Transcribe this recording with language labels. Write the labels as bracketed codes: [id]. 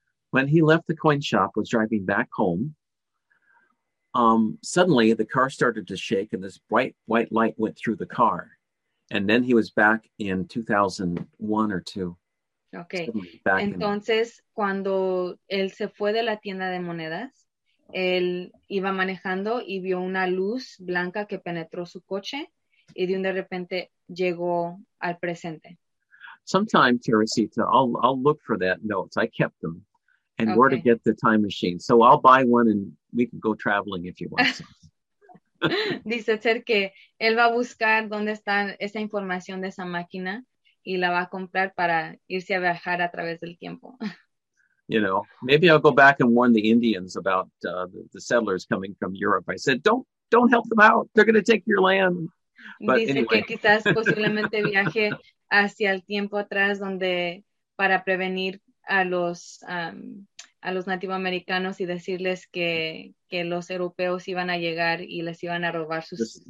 [en] When he left the coin shop, was driving back home, suddenly the car started to shake and this bright white light went through the car. And then he was back in 2001 or 2. Okay. [es] Entonces, cuando él se fue de la tienda de monedas, él iba manejando y vio una luz blanca que penetró su coche y de repente llegó al presente. [en] Sometime, Teresita, I'll look for that notes. I kept them. And where to get the time machine. So I'll buy one and we can go traveling if you want. [es] Dice Ter que él va a buscar dónde está esa información de esa máquina y la va a comprar para irse a viajar a través del tiempo. [en] You know, maybe I'll go back and warn the Indians about the settlers coming from Europe. I said, don't help them out. They're going to take your land. [es] But dice anyway. Que quizás posiblemente viaje hacia el tiempo atrás donde para prevenir a los nativoamericanos y decirles que los europeos iban a llegar y les iban a robar sus